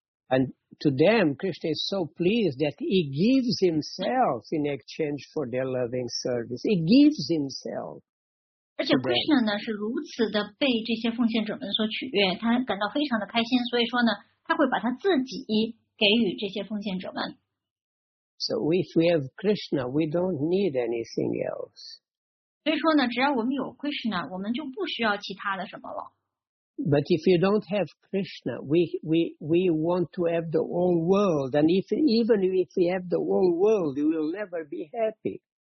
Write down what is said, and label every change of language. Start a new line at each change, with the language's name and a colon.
English: And to them, Krishna is so pleased that he gives himself in exchange for their loving service. He gives himself.
Chinese: 而且 Krishna 呢是如此的被这些奉献者们所取悦，他感到非常的开心，所以说呢，他会把他自己给予这些奉献者们。
English: So if we have Krishna, we don't need anything else.
Chinese: 所以说呢，只要我们有 Krishna， 我们就不需要其他的什么了。
English: But if you don't have Krishna, we want to have the whole world. And even if we have the whole world, we will never be happy.